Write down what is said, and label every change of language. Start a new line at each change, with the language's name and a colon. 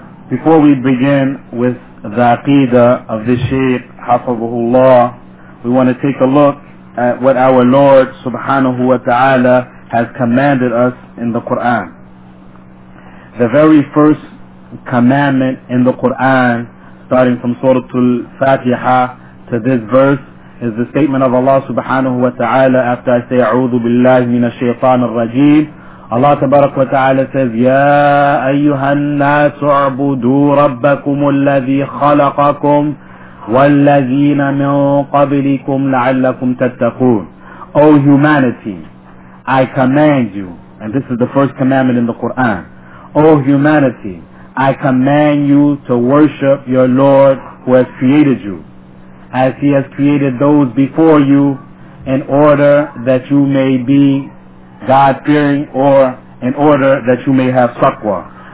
English: Before we begin with the Aqeedah of this Shaykh, hafizahullah, we want to take a look at what our Lord, subhanahu wa ta'ala, has commanded us in the Qur'an. The very first commandment in the Qur'an, starting from Surah Al-Fatiha to this verse, is the statement of Allah subhanahu wa ta'ala after I say,
Arabic: أعوذ بالله من الشيطان الرجيم.
English: Allah tabarak wa ta'ala says,
Arabic: يَا أَيُّهَا النَّاسُ اعْبُدُوا رَبَّكُمُ الَّذِي خَلَقَكُمْ وَالَّذِينَ مِنْ قَبْلِكُمْ لَعَلَّكُمْ تَتَّقُونَ.
English: O humanity, I command you, and this is the first commandment in the Qur'an, O humanity, I command you to worship your Lord who has created you, as He has created those before you, in order that you may be God-fearing, or in order that you may have taqwa.